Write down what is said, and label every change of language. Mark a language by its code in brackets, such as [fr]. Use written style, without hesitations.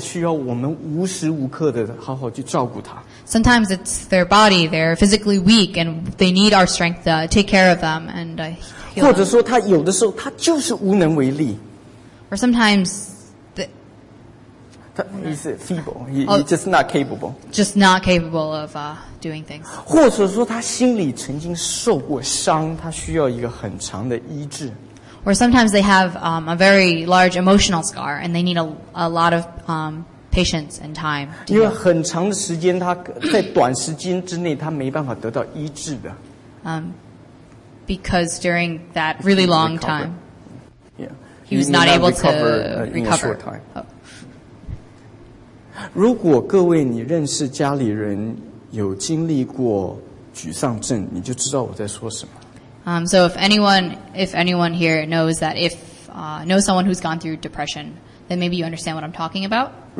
[zh] 他有的时候他是有身体软弱,需要我们无时无刻的好好去照顾他。 [en] Sometimes it's their body, they're physically weak, and they need our strength to take care of them and heal. [zh] 或者说他有的时候他就是无能为力。 [en] Or sometimes he's feeble, he's just not capable. Just not capable of doing things. [zh] 或者说他心里曾经受过伤, 他需要一个很长的医治。 [en] or sometimes they have a very large emotional scar and they need a lot of patience and time. [zh] 因为很长的时间，他在短时间之内他没办法得到医治的。 [en] Because during that really long time, yeah. he was not able to recover. In a short time. Oh. [zh] 如果各位你认识家里人有经历过沮丧症，你就知道我在说什么。 [en] So if anyone here knows that knows someone who's gone through depression, then maybe you understand what I'm talking about.